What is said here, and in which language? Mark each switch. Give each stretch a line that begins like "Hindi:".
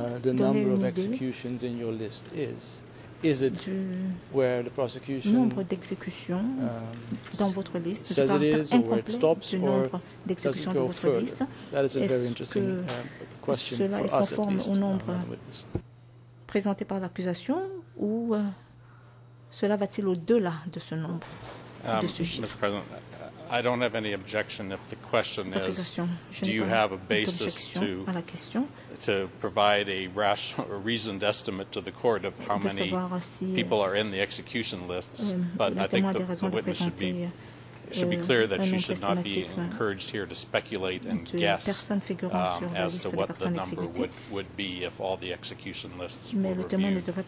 English: the number of executions in your list is. is it where the prosecution
French: nombre d'exécution dans votre liste
English: says it is, or where it stops, or does it go further? That is a very interesting question for us, at least, on the witness.
French: Présenté par l'accusation, ou cela va-t-il au-delà de ce nombre, de ce chiffre?
English: Mr. President, I don't have any objection if the question is, do you have a basis to provide a reasoned estimate to the court of how many people are in the execution lists, but I think the witness should be clear that she should not be encouraged here to speculate and guess as to what the number would be if all the execution lists were reviewed.